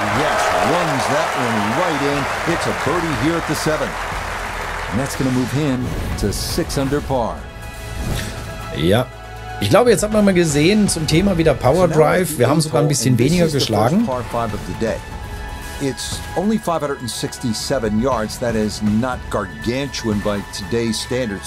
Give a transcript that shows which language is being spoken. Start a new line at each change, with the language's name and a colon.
English: Yes, runs that one right in. It's a birdie here at the 7. And that's gonna move him to 6 under par.
German: Ja, ich glaube, jetzt hat man mal gesehen zum Thema wieder Power Drive. Wir haben sogar ein bisschen weniger geschlagen.
English: Par 5 of the day. It's only 567 yards. That is not gargantuan by today's standards.